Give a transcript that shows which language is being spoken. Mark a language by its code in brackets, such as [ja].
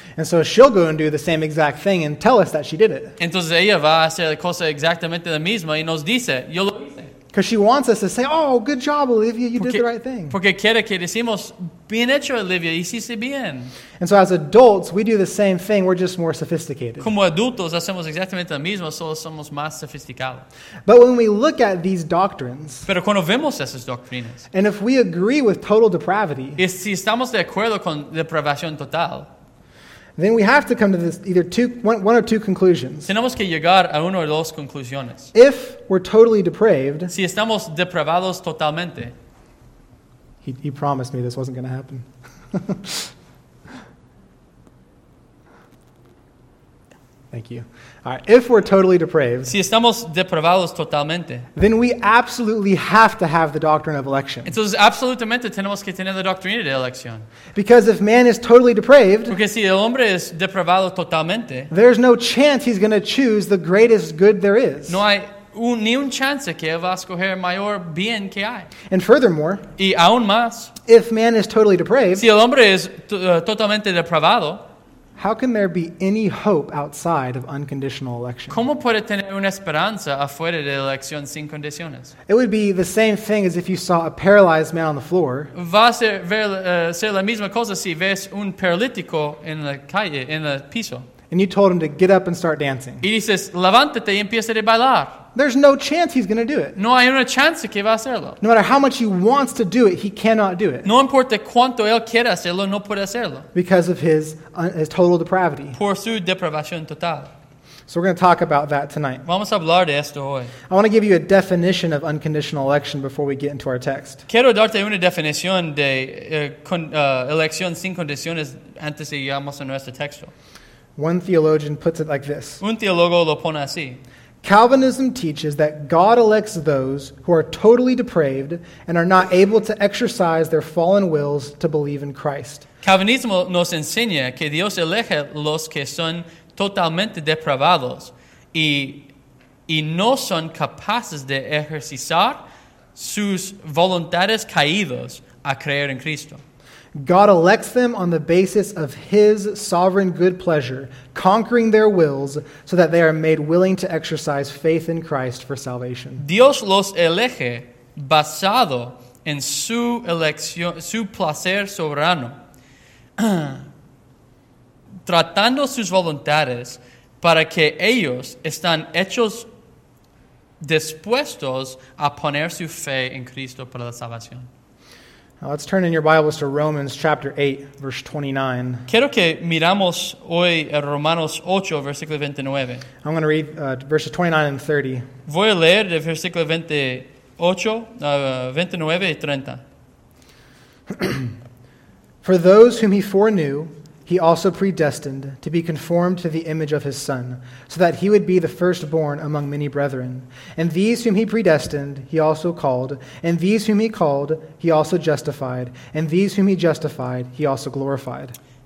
[en] And so she'll go and do the same exact thing and tell us that she did it. [es] Entonces ella va a hacer la cosa exactamente la misma y nos dice, yo lo hice. [en] Because she wants us to say, oh, good job, Olivia, did the right thing. [es] Porque quiere que decimos, bien hecho, Olivia, hiciste bien. [en] And so as adults, we do the same thing, we're just more sophisticated. [es] Como adultos, hacemos exactamente lo mismo, solo somos más sofisticados. [en] But when we look at these doctrines, [es] pero cuando vemos esas doctrinas, [en] and if we agree with total depravity, [es] y si estamos de acuerdo con depravación total, [en] then we have to come to this either one or two conclusions. [es] Tenemos que llegar a uno o dos conclusiones. [en] If we're totally depraved, [es] si estamos depravados totalmente, [en] he promised me this wasn't going to happen. Thank you. All right, if we're totally depraved, [es] si estamos depravados totalmente, [en] then we absolutely have to have the doctrine of election. [es] Entonces, absolutamente tenemos que tener la doctrina de elección. [en] Because if man is totally depraved, [es] porque si el hombre es depravado totalmente, [en] there's no chance he's going to choose the greatest good there is. [es] No hay ni un chance que él va a escoger mayor bien que hay. [en] And furthermore, [es] y aún más, [en] if man is totally depraved, [es] si el hombre es totalmente depravado, [en] how can there be any hope outside of unconditional election? [es] ¿Cómo puede tener una esperanza afuera de elección sin condiciones? [en] It would be the same thing as if you saw a paralyzed man on the floor. [es] Va a ser la misma cosa si ves un paralítico en la calle, en el piso. [en] And you told him to get up and start dancing. [es] Y dices, levántate y empieza a bailar. [en] There's no chance he's going to do it. [es] No hay una chance que va a hacerlo. [en] No matter how much he wants to do it, he cannot do it. [es] No importa cuánto él quiera hacerlo, no puede hacerlo. [en] Because of his total depravity. [es] Por su depravación total. [en] So we're going to talk about that tonight. [es] Vamos a hablar de esto hoy. [en] I want to give you a definition of unconditional election before we get into our text. [es] Quiero darte una definición de elección sin condiciones antes de llegamos a nuestro texto. [en] One theologian puts it like this. [es] Un teólogo lo pone así. [en] Calvinism teaches that God elects those who are totally depraved and are not able to exercise their fallen wills to believe in Christ. [es] Calvinismo nos enseña que Dios elige los que son totalmente depravados y no son capaces de ejercitar sus voluntades caídas a creer en Cristo. [en] God elects them on the basis of his sovereign good pleasure, conquering their wills so that they are made willing to exercise faith in Christ for salvation. [es] Dios los elige basado en su elección, su placer soberano, tratando sus voluntades para que ellos están hechos dispuestos a poner su fe en Cristo para la salvación. [en] Now let's turn in your Bibles to Romans chapter 8, verse 29. [es] Quiero que miramos hoy Romanos 8, versículo 29. [en] I'm going to read verses 29 and 30. [es] Voy a leer de versículo 29 y 30. [en] For those whom he foreknew, he also predestined to be conformed to the image of his Son, so that he would be the firstborn among many brethren. And these whom he predestined, he also called. And these whom he called, he also justified. And these whom he justified, he also glorified.